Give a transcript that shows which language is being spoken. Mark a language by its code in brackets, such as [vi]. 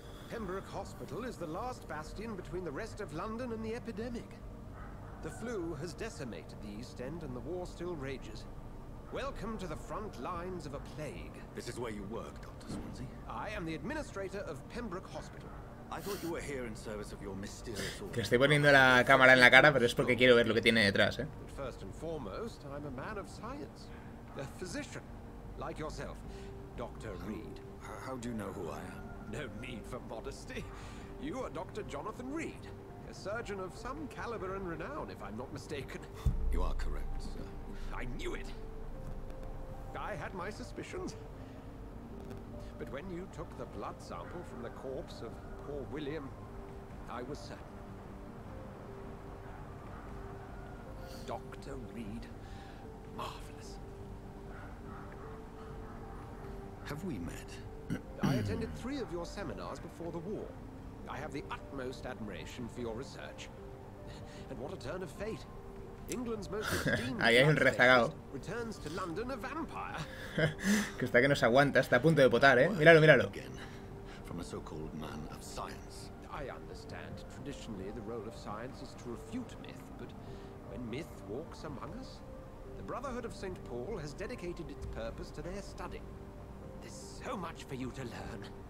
[en] Pembroke Hospital is the last bastion between the rest of London and the epidemic. The flu has decimated the East End and the war still rages. Welcome to the front lines of a plague. This is where you work, Dr. Swansea. I am the administrator of Pembroke Hospital. I thought you were here in service of your mysterious [es] order. Que estoy poniendo la cámara en la cara, pero es porque quiero ver lo que tiene detrás, ¿eh? [en] But first and foremost, I'm a man of science. A physician, like yourself, Dr. Reed. How do you know who I am? No need for modesty. You are Dr. Jonathan Reed. A surgeon of some caliber and renown, if I'm not mistaken. You are correct, sir. I knew it. I had my suspicions. But when you took the blood sample from the corpse of poor William, I was certain. Dr. Reed. Marvelous. Have we met? I attended three of your seminars before the war. I have the utmost admiration for your research. And what a turn of fate. England's most esteemed returns to London a vampire. [es] Que está que no se aguanta, está a punto de potar, ¿eh? Míralo, míralo. [en] From a so-called man of science. I understand. Traditionally, the role of science is to refute myth, but when myth walks among us, the Brotherhood of St. Paul has dedicated its purpose to their study. There's so much for you to learn.